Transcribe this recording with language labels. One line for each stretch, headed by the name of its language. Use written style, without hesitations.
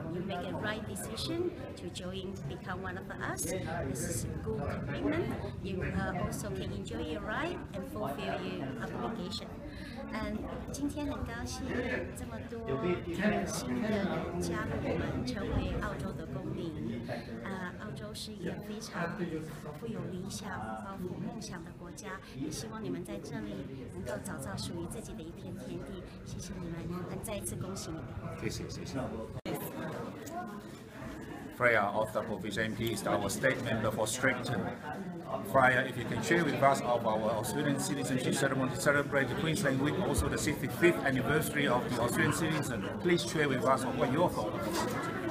English: You make a right decision to join, become one of us. This is a good commitment. You also can enjoy your right and fulfill your obligation.
Chinese: And 今天很高兴这么多新的加入我们，成为澳洲的公民。澳洲是一个非常富有理想、抱负梦想的国家，也希望你们在这里能够找到属于自己的一片天地。谢谢你们，再一次恭喜你们。谢谢。
English: Freya of the Provision MP is our state member for Strengthen. Freya, if you can share with us of our Australian citizenship ceremony to celebrate the Queensland Week, also the 65th anniversary of the Australian citizen, please share with us what your thoughts are.